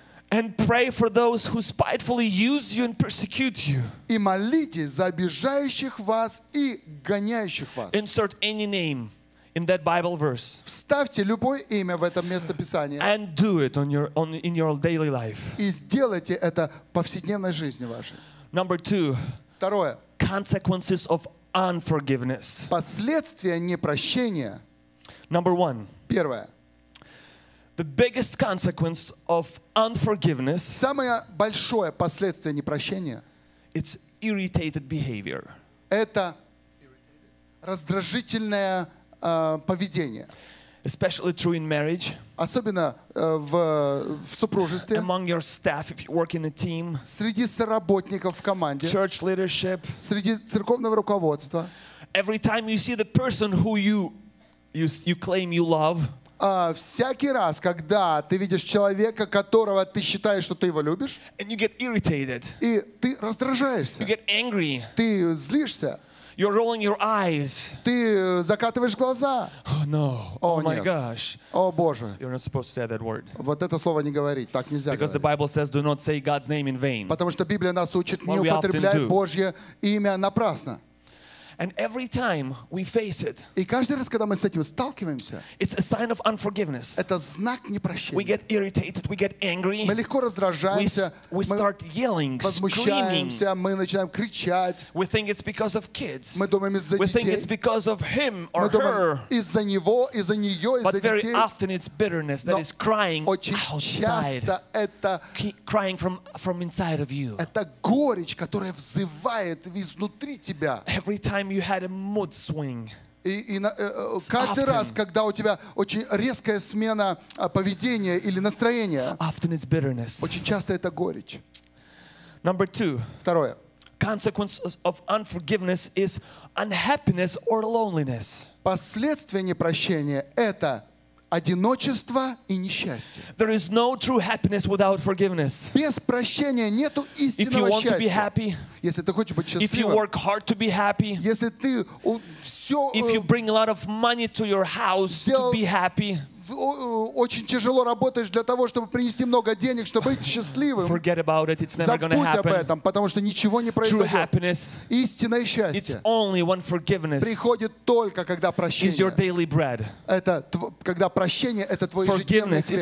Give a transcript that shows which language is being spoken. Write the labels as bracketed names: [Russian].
[English] And pray for those who spitefully use you and persecute you. [Russian] И молитесь за обижающих вас и гоняющих вас. [English] Insert any name. In that Bible verse. [Russian] Вставьте любое имя в это местописание. [English] And do it in your daily life. [Russian] И сделайте это в повседневной жизни вашей. [English] Number two. [Russian] Второе. [English] Consequences of unforgiveness. [Russian] Последствия непрощения. [English] Number one. [Russian] Первое. [English] The biggest consequence of unforgiveness. [Russian] Самое большое последствие непрощения. [English] It's irritated behavior. [Russian] Это раздражительное поведение. [English] Especially true in marriage. [Russian] Особенно в супружестве. [English] Among your staff, if you work in a team. [Russian] Среди соработников в команде. [English] Church leadership. [Russian] Среди церковного руководства. [English] Every time you see the person who you claim you love. [Russian] Всякий раз, когда ты видишь человека, которого ты считаешь, что ты его любишь. [English] And you get irritated. [Russian] И ты раздражаешься. [English] You get angry. [Russian] Ты злишься. [English] You're rolling your eyes. [Russian] Ты закатываешь глаза. [English] Oh no. Oh, oh my gosh. [Russian] О боже. [English] You're not supposed to say that word. [Russian] Вот это слово не говорить. Так нельзя [English] Because [Russian] говорить. [English] The Bible says do not say God's name in vain. [Russian] Потому что Библия нас учит не употреблять Божье имя напрасно. [English] And every time we face it. [Russian] И каждый раз, когда мы с этим сталкиваемся. [English] It's a sign of unforgiveness. [Russian] Это знак непрощения. [English] We get irritated, we get angry. [Russian] Мы легко раздражаемся. [English] We start yelling, screaming. [Russian] Мы начинаем кричать. [English] We think it's because of kids. [Russian] Мы думаем из-за детей. [English] We think it's because of him or her. [Russian] Мы думаем из-за него, из-за неё, из-за детей. [English] But very often it's bitterness that is crying outside. Crying from inside of you. [Russian] Это горечь, которая взывает изнутри тебя. [English] Every time you had a mood swing. [Russian] Каждый раз, когда у тебя очень резкая смена поведения или настроения. [English] Often it's bitterness. [Russian] Очень часто это горечь. [English] Number two. [Russian] Второе. [English] Consequences of unforgiveness is unhappiness or loneliness. [Russian] Последствия непрощения это одиночество и несчастье. [English] There is no true happiness without forgiveness. [Russian] Без прощения нету истинного [English] If you want [Russian] счастья. [English] To be happy, [Russian] если ты хочешь быть счастливым, [English] if you work hard to be happy, [Russian] если ты все, [English] if you bring a lot of money to your house to be happy, [Russian] очень тяжело работаешь для того, чтобы принести много денег, чтобы быть счастливым. [English] Forget about it. It's never gonna happen. [Russian] Забудь об этом, потому что ничего не произойдет. [English] True happiness. [Russian] Истинное счастье. [English] It's only when forgiveness. [Russian] Приходит только когда прощение. [English] Is your daily bread. [Russian] Это когда прощение это твой ежедневный хлеб.